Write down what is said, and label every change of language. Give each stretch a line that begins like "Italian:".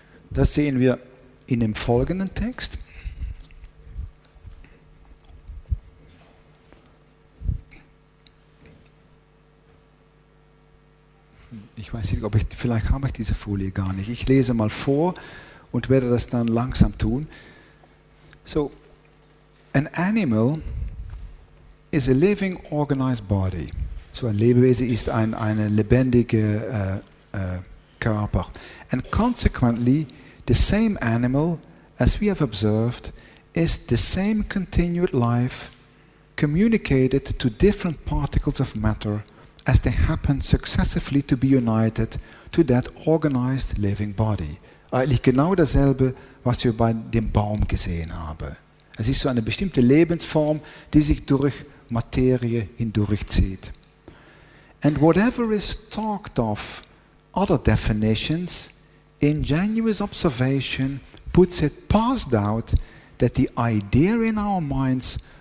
German: Das sehen wir in dem folgenden Text. Ich weiß nicht, ob ich, vielleicht habe ich diese Folie gar nicht. Ich lese mal vor und werde das dann langsam tun.
English: So, an animal is a living organized body.
German: So, ein Lebewesen ist eine lebendige Körper.
English: And consequently, the same animal, as we have observed, is the same continued life communicated to different particles of matter as they happen successively to be united to that organized living body.
German: Eigentlich genau dasselbe, was wir bei dem Baum gesehen haben. Es ist so eine bestimmte Lebensform, die sich durch Materie hindurchzieht.
English: And whatever is talked of, other definitions, ingenuous observation puts it past doubt that the idea in our minds